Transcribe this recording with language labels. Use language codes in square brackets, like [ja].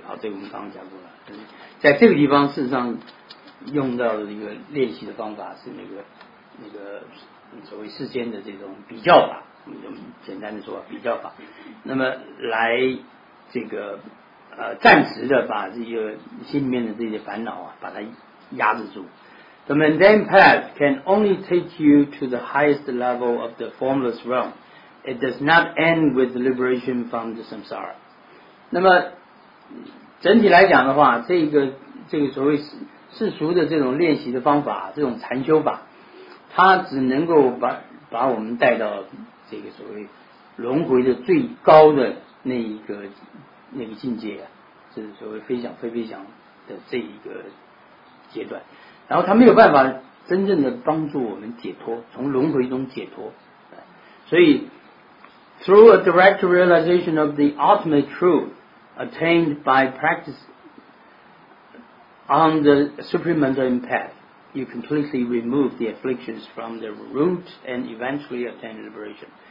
[zh] 好，这个我们刚刚讲过了。在这个地方事实上用到的一个练习的方法是那个所谓世间的这种比较法，简单的说比较法，那么来这个暂时的把这些心里面的这些烦恼啊把它压制住。 [en] The mundane path can only take you to the highest level of the formless realm. It does not end with liberation from the samsara. [zh] 那么整体来讲的话，这个所谓世俗的这种练习的方法，这种禅修法，它只能够把我们带到这个所谓轮回的最高的那个境界，就是所谓非想非非想的这一个阶段，然后它没有办法真正的帮助我们解脱，从轮回中解脱。所以 [en] through a direct realization of the ultimate truthattained by practice on the supreme mundane path, you completely remove the afflictions from the root and eventually attain liberation.